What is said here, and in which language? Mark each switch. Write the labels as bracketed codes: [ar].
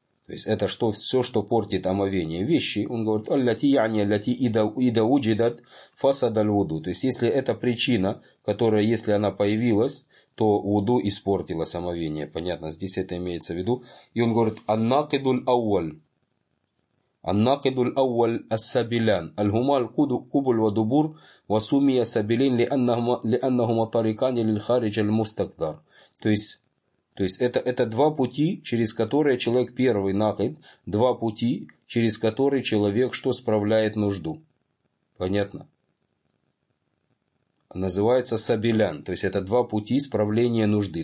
[ru] То есть это что, все, что портит омовение. Вещи, он говорит [ar] «алляти яни, алляти идауджидат фасадальвуду». [ru] То есть если это причина, которая, если она появилась, то уду испортилось омовение. Понятно, здесь это имеется в виду. И он говорит [ar] «аннакидуль ауаль». الناقد الأول السبيلان الهما القبل ودبور وسمي سبيلين لأنهما طريقان للخارج المستقدر. [ru] То есть это два пути, через которые человек первый накид, два пути, через которые человек что справляет нужду. Понятно? Называется сабилян. То есть это два пути справления нужды.